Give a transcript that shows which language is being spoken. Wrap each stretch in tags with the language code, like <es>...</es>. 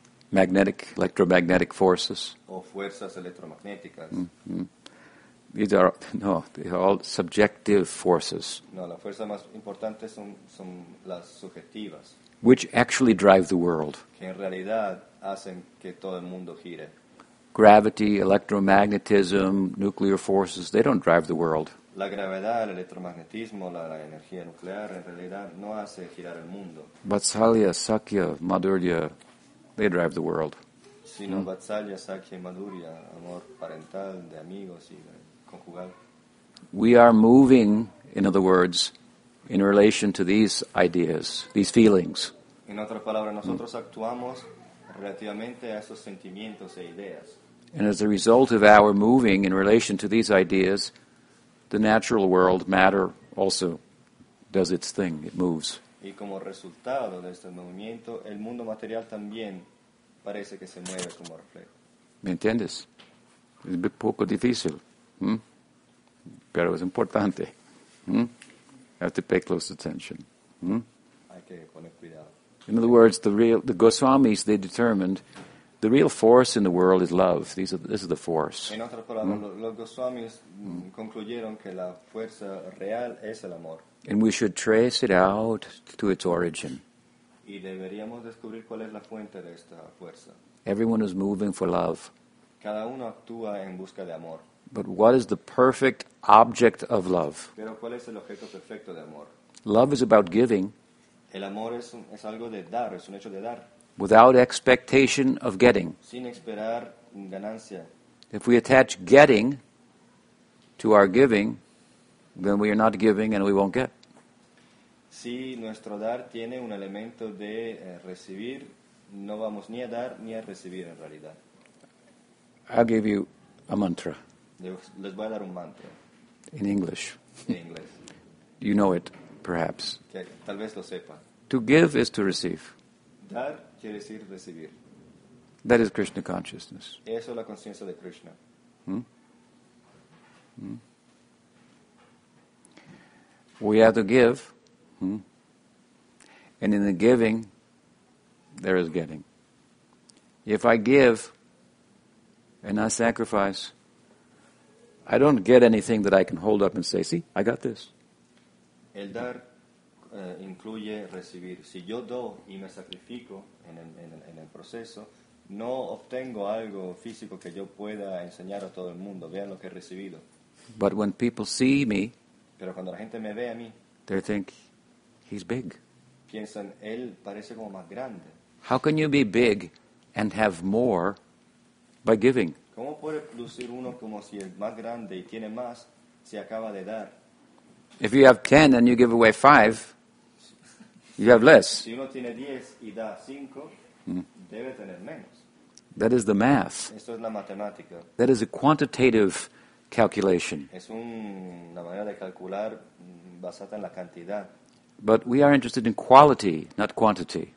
<en>Magnetic, electromagnetic forces.</en> <es>O fuerzas electromagnéticas.</es> <en>These are all subjective forces.</en> <es>No, la fuerza más importante son las subjetivas.</es> <en>Which actually drive the world.</en> <es>Que en realidad hacen que todo el mundo gire.</es> <en>Gravity, electromagnetism, nuclear forces, they don't drive the world.</en> <es>La gravedad, el electromagnetismo, la energía nuclear, en realidad, no hace girar el mundo.</es> <en>Vatsalya, Sakya, Madhurya, they drive the world.</en> <es>Sino Vatsalya, Sakya, Madhurya, amor parental, de amigos y conjugal.</es> <en>We are moving, in other words, in relation to these ideas, these feelings.</en> <es>En otras palabras, nosotros actuamos relativamente a esos sentimientos e ideas.</es> <en>And as a result of our moving in relation to these ideas, the natural world, matter, also does its thing. It moves.</en> <es>Y como resultado de este movimiento, el mundo material también parece que se mueve como reflejo. ¿Me entiendes? Es un poco difícil, pero es importante.</es> <en>You have to pay close attention.</en> <es>Hay que poner cuidado.</es> <en>In other words, the Goswamis, they determined the real force in the world is love. This is the force.</en> <es>En otras palabras, los Goswamis concluyeron que la fuerza real es el amor.</es> <en>And we should trace it out to its origin.</en> <es>Y deberíamos descubrir cuál es la fuente de esta fuerza.</es> <en>Everyone is moving for love.</en> <es>Cada uno actúa en busca de amor.</es> <en>But what is the perfect object of love?</en> <es>Pero cuál es el objeto perfecto de amor?</es> <en>Love is about giving.</en> <es>El amor es algo de dar, es un hecho de dar.</es> <en>Without expectation of getting.</en> <es>Sin esperar ganancia.</es> <en>If we attach getting to our giving, then we are not giving and we won't get.</en> <es>Si nuestro dar tiene un elemento de recibir, no vamos ni a dar ni a recibir en realidad.</es> <en>I'll give you a mantra.</en> <es>Les voy a dar un mantra.</es> <en>In English.</en> <es>En inglés.</es> <en>You know it, perhaps.</en> <es>Que tal vez lo sepa.</es> <en>To give is to receive.</en> <es>Dar quiere decir recibir.</es> <en>That is Krishna consciousness.</en> <es>Eso es la conciencia de Krishna.</es> <en>We have to give, and in the giving, there is getting. If I give and I sacrifice, I don't get anything that I can hold up and say, see, I got this.</en> <es>El dar incluye recibir. Si yo doy y me sacrifico en el proceso, no obtengo algo físico que yo pueda enseñar a todo el mundo. Vean lo que he recibido.</es> <en>But when people see me,</en> <es>pero cuando la gente me ve a mí,</es> <en>they think he's big.</en> <es>Piensan, él parece como más grande.</es> <en>How can you be big and have more by giving?</en> <es>¿Cómo puede lucir uno como si es más grande y tiene más si acaba de dar?</es> <en>If you have 10 and you give away 5, you have less.</en> <es>Si uno tiene 10 y da 5, debe tener menos.</es> <en>That is the math.</en> <es>Esto es la matemática.</es> <en>That is a quantitative calculation.</en> <es>Es una manera de calcular basada en la cantidad.</es> <en>But we are interested in quality, not quantity.</en>